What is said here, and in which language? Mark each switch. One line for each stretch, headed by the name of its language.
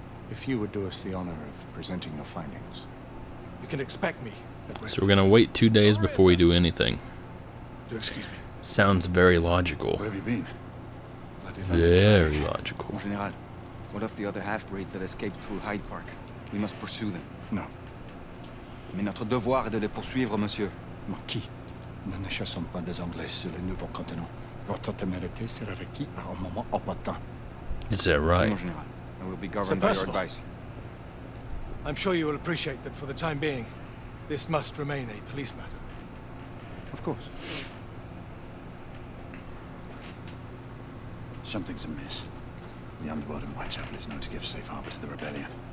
English: If you would do us the honor of presenting your findings. You can expect me. So we're going to wait 2 days before we do anything. Excuse me. Sounds very logical. Where have you been? Very logical. What of the other half-breeds that escaped through Hyde Park? We must pursue them. No.
French: Mais notre devoir est de les poursuivre, monsieur. Marquis, nous ne chassons pas des Anglais sur le nouveau continent. Votre témérité sera requise à un moment opportun.
English: Is that right? And we'll be governed by your advice. I'm sure you will appreciate that for the time being, this must remain a police matter. Of course. Something's amiss. The underworld in Whitechapel is known to give safe harbor to the rebellion.